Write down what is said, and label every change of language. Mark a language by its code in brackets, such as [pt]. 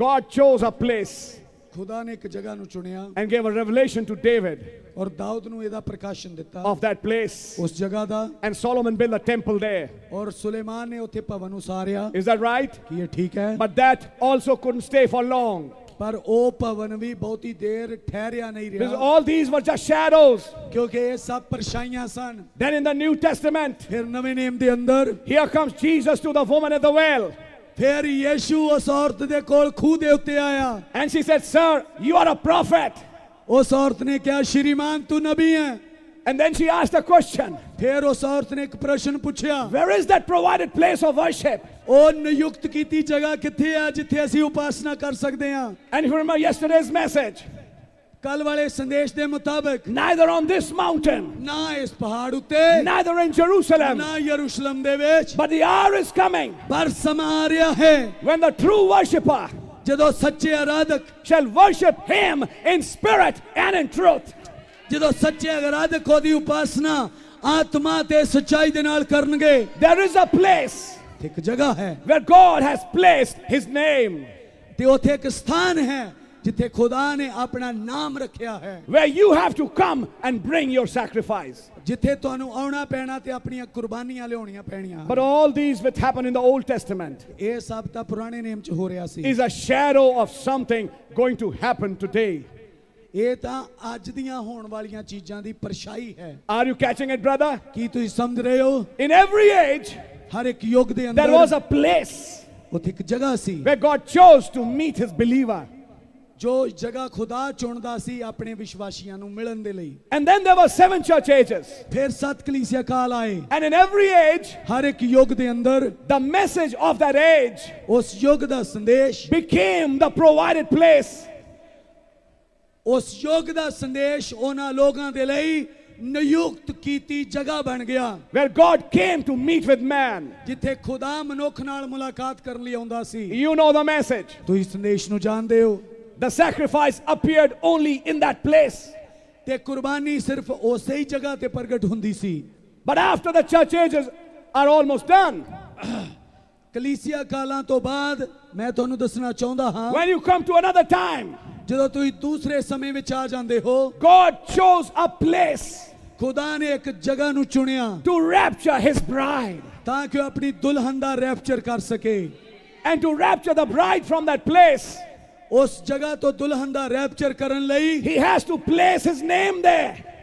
[en] God chose a place, [pa] ਖੁਦਾ ਨੇ ਇੱਕ ਜਗ੍ਹਾ ਨੂੰ ਚੁਣਿਆ, [en] and gave a revelation to David, [pa] ਔਰ ਦਾਊਦ ਨੂੰ ਇਹਦਾ ਪ੍ਰਕਾਸ਼ਨ ਦਿੱਤਾ, [en] of that place, [pa] ਉਸ ਜਗ੍ਹਾ ਦਾ, [en] and Solomon built a temple there, [pa] ਔਰ ਸੁਲੇਮਾਨ ਨੇ ਉੱਥੇ ਭਵਨ ਉਸਾਰਿਆ. [en] Is that right? [pa] ਕੀ ਇਹ ਠੀਕ ਹੈ? [en] But that also couldn't stay for long, [pa] ਪਰ ਉਹ ਭਵਨ ਵੀ ਬਹੁਤੀ ਦੇਰ ਠਹਿਰਿਆ ਨਹੀਂ ਰਿਹਾ. [en] Because all these were just shadows, [pa] ਕਿਉਂਕਿ ਇਹ ਸਭ ਪਰਛਾਈਆਂ ਸਨ. [en] Then in the New Testament, [pa] ਫਿਰ ਨਵੇਂ ਨੇਮ ਦੇ ਅੰਦਰ, [en] here comes Jesus to the woman at the well, [pa] ਫਿਰ ਯੇਸ਼ੂ ਉਸ ਔਰਤ ਦੇ ਕੋਲ ਖੂਹ ਦੇ ਉੱਤੇ ਆਇਆ. [en] And she said, sir, you are a prophet, [pa] ਉਸ ਔਰਤ ਨੇ ਕਿਹਾ, ਸ਼੍ਰੀਮਾਨ ਤੂੰ ਨਬੀ ਹੈ. [en] And then she asked a question, [pa] ਫਿਰ ਉਸ ਔਰਤ ਨੇ ਇੱਕ ਪ੍ਰਸ਼ਨ ਪੁੱਛਿਆ, [en] where is that provided place of worship, [pa] ਉਹ ਨਿਯੁਕਤ ਕੀਤੀ ਜਗ੍ਹਾ ਕਿੱਥੇ ਆ ਜਿੱਥੇ ਅਸੀਂ ਉਪਾਸਨਾ ਕਰ ਸਕਦੇ ਹਾਂ? [en] And from yesterday's message, [pa] ਕੱਲ ਵਾਲੇ ਸੰਦੇਸ਼ ਦੇ ਮੁਤਾਬਕ, [en] neither on this mountain, [pa] ਨਾ ਇਸ ਪਹਾੜ ਉੱਤੇ, [en] neither in Jerusalem, [pa] ਨਾ ਯਰੂਸ਼ਲਮ ਦੇ ਵਿੱਚ, [en] but the hour is coming, [pa] ਪਰ ਸਮਾਂ ਆ ਰਿਹਾ ਹੈ, [en] when the true worshipper, [pa] ਜਦੋਂ ਸੱਚੇ ਆਰਾਧਕ, [en] shall worship him in spirit and in truth, [pa] ਜਦੋਂ ਸੱਚੇ ਆਰਾਧਕ ਉਹਦੀ ਉਪਾਸਨਾ ਆਤਮਾ ਤੇ ਸੱਚਾਈ ਦੇ ਨਾਲ ਕਰਨਗੇ. [en] There is a place, [pa] ਇੱਕ ਜਗ੍ਹਾ ਹੈ, [en] where God has placed his name, [pa] ਤੇ ਉੱਥੇ ਇੱਕ ਸਥਾਨ ਹੈ ਜਿੱਥੇ ਖੁਦਾ ਨੇ ਆਪਣਾ ਨਾਮ ਰੱਖਿਆ ਹੈ, [en] where you have to come and bring your sacrifice, [pa] ਜਿੱਥੇ ਤੁਹਾਨੂੰ ਆਉਣਾ ਪੈਣਾ ਤੇ ਆਪਣੀਆਂ ਕੁਰਬਾਨੀਆਂ ਲਿਆਉਣੀਆਂ ਪੈਣੀਆਂ. [en] But all these which happened in the Old Testament, [pa] ਇਹ ਸਭ ਤਾਂ ਪੁਰਾਣੇ ਨੇਮ ਚ ਹੋ ਰਿਹਾ ਸੀ, [en] is a shadow of something going to happen today, [pa] ਇਹ ਤਾਂ ਅੱਜ ਦੀਆਂ ਹੋਣ ਵਾਲੀਆਂ ਚੀਜ਼ਾਂ ਦੀ ਪਰਛਾਈ ਹੈ. [en] Are you catching it, brother? [pa] ਕੀ ਤੁਸੀਂ ਸਮਝ ਰਹੇ ਹੋ? [en] In every age, [pa] ਹਰ ਇੱਕ ਯੁੱਗ ਦੇ ਅੰਦਰ, [en] there was a place, [pa] ਉੱਥੇ ਇੱਕ ਜਗ੍ਹਾ ਸੀ, [en] where God chose to meet his believer, [pa] ਜੋ ਜਗ੍ਹਾ ਖੁਦਾ ਚੁਣਦਾ ਸੀ ਆਪਣੇ ਵਿਸ਼ਵਾਸੀਆਂ ਨੂੰ ਮਿਲਣ ਦੇ ਲਈ. [en] And then there were seven church ages, [pa] ਫਿਰ ਸੱਤ ਕਲੀਸਿਯਾ ਕਾਲ ਆਏ. [en] And in every age, [pa] ਹਰ ਇੱਕ ਯੁੱਗ ਦੇ ਅੰਦਰ, [en] the message of that age, [pa] ਉਸ ਯੁੱਗ ਦਾ ਸੰਦੇਸ਼, [en] became the provided place, [pa] ਉਸ ਯੁੱਗ ਦਾ ਸੰਦੇਸ਼ ਉਹਨਾਂ ਲੋਕਾਂ ਦੇ ਲਈ ਨਿਯੁਕਤ ਕੀਤੀ ਜਗ੍ਹਾ ਬਣ ਗਿਆ, [en] where God came to meet with man, [pa] ਜਿੱਥੇ ਖੁਦਾ ਮਨੁੱਖ ਨਾਲ ਮੁਲਾਕਾਤ ਕਰਨ ਲਈ ਆਉਂਦਾ ਸੀ. [en] You know the message, [pa] ਤੁਸੀਂ ਸੰਦੇਸ਼ ਨੂੰ ਜਾਣਦੇ ਹੋ. [en] The sacrifice appeared only in that place, [pa] ਤੇ ਕੁਰਬਾਨੀ ਸਿਰਫ ਉਸੇ ਹੀ ਜਗ੍ਹਾ ਤੇ ਪ੍ਰਗਟ ਹੁੰਦੀ ਸੀ. [en] But after the church ages are almost done, [pa] ਕਲੀਸਿਯਾ ਕਾਲਾਂ ਤੋਂ ਬਾਅਦ ਮੈਂ ਤੁਹਾਨੂੰ ਦੱਸਣਾ ਚਾਹੁੰਦਾ ਹਾਂ, [en] when you come to another time, [pa] ਜਦੋਂ ਤੁਸੀਂ ਦੂਸਰੇ ਸਮੇਂ ਵਿੱਚ ਆ ਜਾਂਦੇ ਹੋ, [en] God chose a place, [pa] ਖੁਦਾ ਨੇ ਇੱਕ ਜਗ੍ਹਾ ਨੂੰ ਚੁਣਿਆ, [en] to rapture his bride, [pa] ਤਾਂ ਕਿ ਉਹ ਆਪਣੀ ਦੁਲਹਨ ਦਾ ਰੈਪਚਰ ਕਰ ਸਕੇ, [en] and to rapture the bride from that place, [pa] ਉਸ ਜਗ੍ਹਾ ਤੋਂ ਦੁਲਹਨ ਦਾ ਰੈਪਚਰ ਕਰਨ ਲਈ, [en] he has to place his name there,